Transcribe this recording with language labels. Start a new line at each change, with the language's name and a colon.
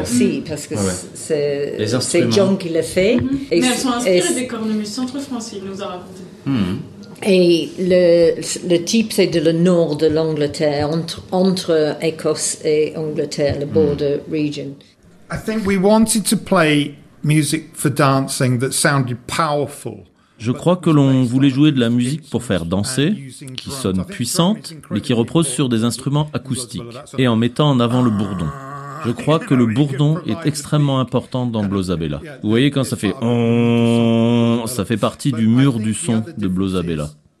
French: aussi, parce que c'est John qui l'a fait. Mm-hmm. Mais elles sont inspirées des cornemuses centre-français, il nous a raconté. Mm-hmm. Et le type, c'est de le nord de l'Angleterre, entre Écosse et Angleterre, le border region.
English: I think we wanted to play music for dancing that sounded powerful.
French: Je crois que l'on voulait jouer de la musique pour faire danser, qui sonne puissante, mais qui repose sur des instruments acoustiques, et en mettant en avant le bourdon. Je crois que le bourdon est extrêmement important dans Blozzabella. Vous voyez quand ça fait « on », ça fait partie du mur du son de Blozzabella.